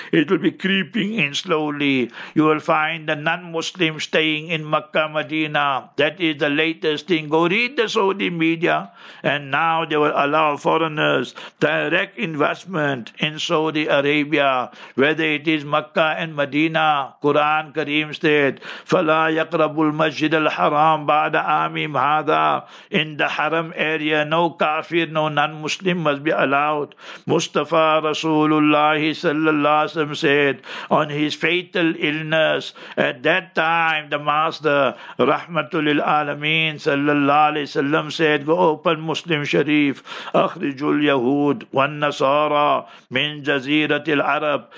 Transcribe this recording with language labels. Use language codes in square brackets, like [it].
[en] It will be creeping in slowly. You will find the non-Muslim staying in Makkah, Medina. That is the latest thing. Go read the Saudi media. And now they will allow foreigners direct investment in Saudi Arabia, whether it is Makkah and Medina. Quran Kareem said, [ar] فَلَا يَقْرَبُ الْمَسْجِدَ الْحَرَامِ بَعْدَ عَامِمْ هَذَا. [en] In the haram area, no kafir, no non-Muslim must be allowed. Mustafa Rasulullah sallallahu alaihi wasallam said, on his fatal illness, at that time, the master, رَحْمَةُ لِلْعَالَمِينَ sallallahu alaihi wasallam said, go open Muslim Sharif, [ar] أَخْرِجُ الْيَهُودِ وَالنَّصَارَى مِنْ جَزِيرَةِ الْعَرَبِ.